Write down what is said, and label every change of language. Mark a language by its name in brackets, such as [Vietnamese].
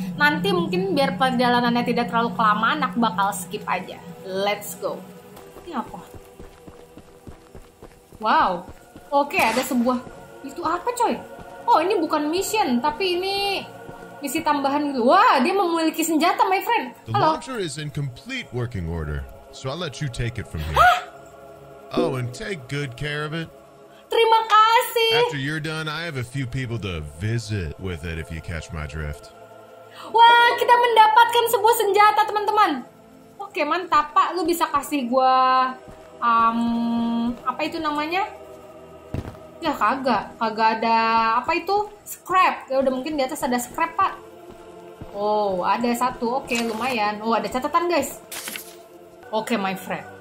[Indonesian] Nanti mungkin biar perjalanannya tidak terlalu kelamaan, aku bakal skip aja. [English] Let's go. [Indonesian] Ini apa? Wow. Oke, ada sebuah. Itu apa, coy? Oh, ini bukan mission, tapi ini misi tambahan gitu. Wah, dia memiliki senjata, [English] my friend. The launcher is in complete working order, so I'll let you take it from here. Oh, and take good care of it. [Indonesian] Terima kasih. [English] After you're done, I have a few people to visit with it if you catch my drift. [Indonesian] Wah, kita mendapatkan sebuah senjata, teman-teman. Oke, mantap, Pak. Lu bisa kasih gua apa itu namanya? Ya kagak. Kagak ada apa itu? Scrap. Ya udah, mungkin di atas ada scrap, Pak. Oh, ada satu. Oke, lumayan. Oh, ada catatan, guys. [English] Oke, my friend.